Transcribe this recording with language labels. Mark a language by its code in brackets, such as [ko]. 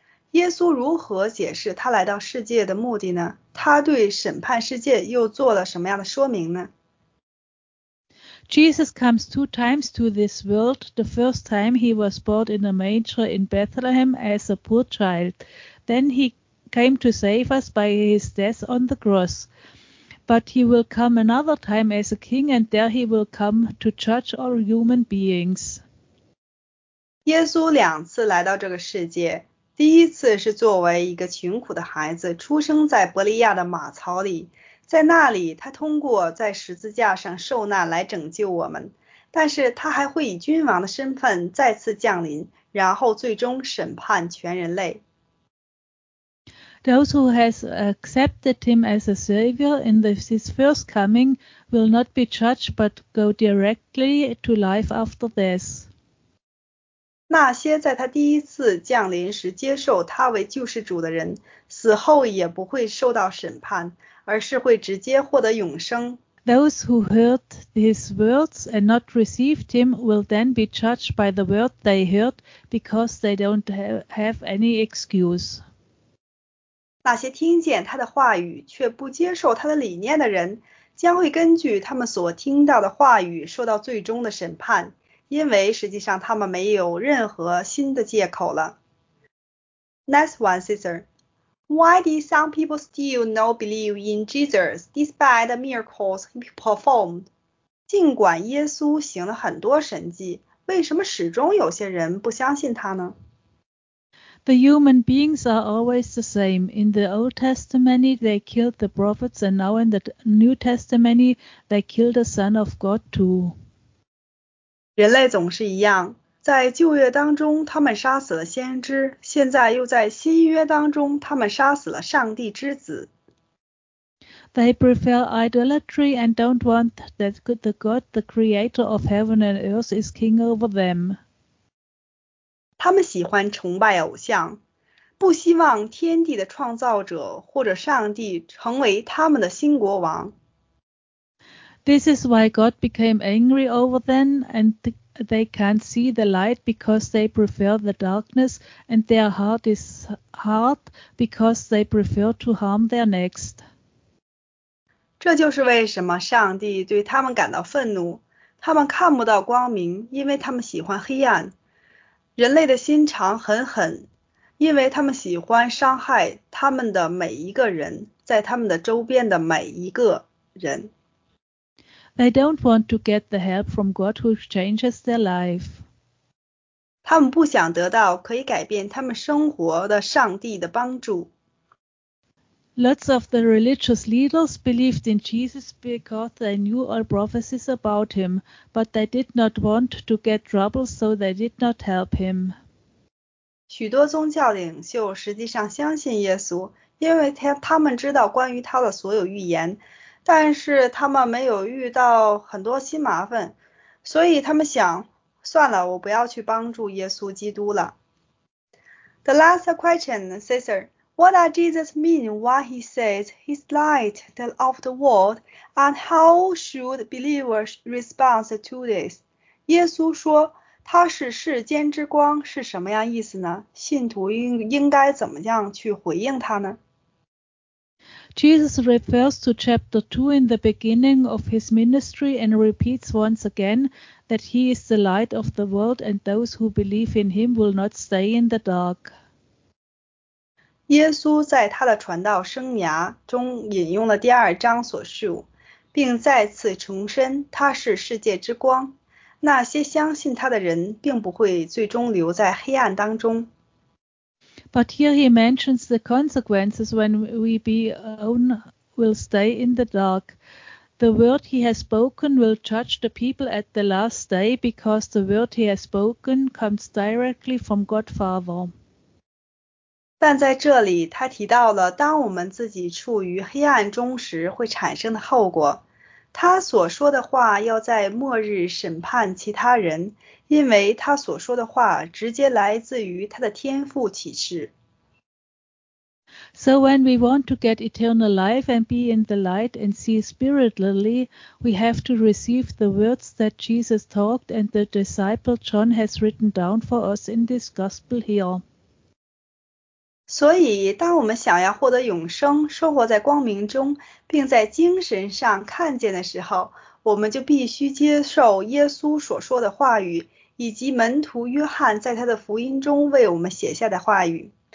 [zh] 耶稣如何解释他来到世界的目的呢？他对审判世界又做了什么样的说明呢？ [en] Jesus comes two times to this world. The first time he was born in a manger in Bethlehem as a poor child. Then he came to save us by his death on the cross. But he will come another time as a king, and there he will come to judge all human beings. [zh] 耶稣两次来到这个世界，第一次是作为一个穷苦的孩子，出生在伯利亚的马槽里。在那里，他通过在十字架上受难来拯救我们，但是他还会以君王的身份再次降临，然后最终审判全人类。 [en] Those who has accepted him as a savior in his first coming will not be judged, but go directly to life after death. [zh] 那些在他第一次降临时接受他为救世主的人，死后也不会受到审判。而是会直接获得永生。 [en] Those who heard his words and not received him will then be judged by the word they heard because they don't have any excuse. [zh] 那些听见他的话语却不接受他的理念的人，将会根据他们所听到的话语受到最终的审判，因为实际上他们没有任何新的借口了。 [en] Next one, sister. Why did some people still not believe in Jesus despite the miracles he performed? [zh] 尽管耶稣行了很多神迹，为什么始终有些人不相信他呢？ [en] The human beings are always the same. In the Old Testament, they killed the prophets, and now in the New Testament, they killed the Son of God too. [zh] 人类总是一样，在旧约当中，他们杀死了先知，现在又在新约当中，他们杀死了上帝之子。 [en] They prefer idolatry and don't want that the God, the creator of heaven and earth, is king over them. [zh] 他们喜欢崇拜偶像，不希望天地的创造者或者上帝成为他们的新国王。 [en] This is why God became angry over them and they can't see the light because they prefer the darkness and their heart is hard because they prefer to harm their next. [zh] 这就是为什么上帝对他们感到愤怒，他们看不到光明，因为他们喜欢黑暗。人类的心肠很狠，因为他们喜欢伤害他们的每一个人，在他们的周边的每一个人。 [en] They don't want to get the help from God who changes their life. [zh] 他们不想得到可以改变他们生活的上帝的帮助。 [en] Lots of the religious leaders believed in Jesus because they knew all prophecies about him, but they did not want to get trouble, so they did not help him. [zh] 许多宗教领袖实际上相信耶稣，因为他们知道关于他的所有预言，但是他们没有遇到很多新麻烦，所以他们想，算了，我不要去帮助耶稣基督了。 [en] The last question, sister. What does Jesus mean when he says he's light of the world, and how should believers respond to this? [zh] 耶稣说他是世间之光是什么样意思呢？信徒应该怎么样去回应他呢？ [en] Jesus refers to chapter 2 in the beginning of his ministry and repeats once again that he is the light of the world and those who believe in him will not stay in the dark. [zh] 耶稣在他的传道生涯中引用了第二章所述，并再次重申他是世界之光，那些相信他的人并不会最终留在黑暗当中。 [en] But here he mentions the consequences when we be alone will stay in the dark. The word he has spoken will judge the people at the last day because the word he has spoken comes directly from God Father. [zh] 但在这里他提到了当我们自己处于黑暗中时会产生的后果。他所说的话要在末日审判其他人，因为他所说的话直接来自于他的天父启示。 [en] So when we want to get eternal life and be in the light and see spiritually, we have to receive the words that Jesus talked and the disciple John has written down for us in this gospel here. [zh] 所以当我们想要获得永生，生活在光明中，并在精神上看见的时候，我们就必须接受耶稣所说的话语，以及门徒约翰在他的福音中为我们写下的话语。